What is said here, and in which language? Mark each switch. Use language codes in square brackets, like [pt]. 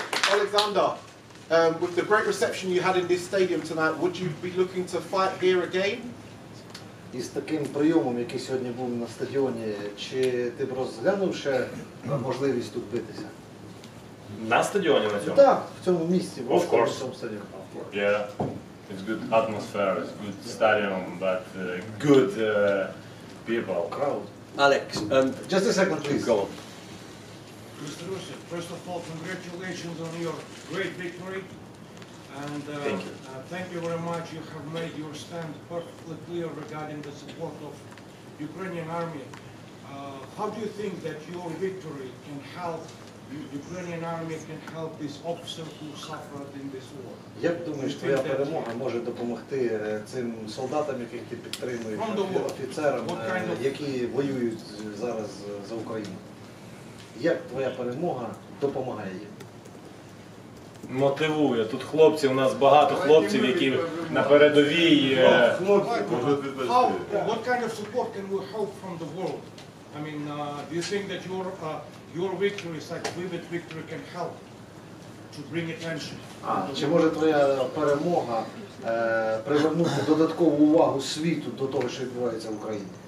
[en] Alexander, with the great reception you had in this stadium tonight, would you be looking to fight here again? [uk] Із таким прийомом, який сьогодні був на стадіоні, чи ти б розглянув ще можливість тут битися? На стадіоні, на цьому? Так, в цьому місці. [en] Of course. Yeah, it's good atmosphere, it's good stadium, but good people. Crowd. Alex, just a second, please. Go. Mr. Usyk, first of all, congratulations on your great victory. And thank you very much. You have made your stand perfectly clear regarding the support of Ukrainian army. How do you think that your victory can help the Ukrainian army, can help this officer who suffered in this war? [uk] Я думаю, що твоя перемога може допомогти цим солдатам, яких ти підтримуєш, офіцерам, які воюють зараз за Україну. Як твоя перемога допомагає їм? Мотивує. Тут хлопці, у нас багато хлопців, які на передовій. [en] What kind of support can we hope from the world? I mean, do you think that your victory, such vivid victory, can help to bring attention? [uk] Чи може твоя перемога привернути додаткову увагу світу до того, що відбувається в Україні?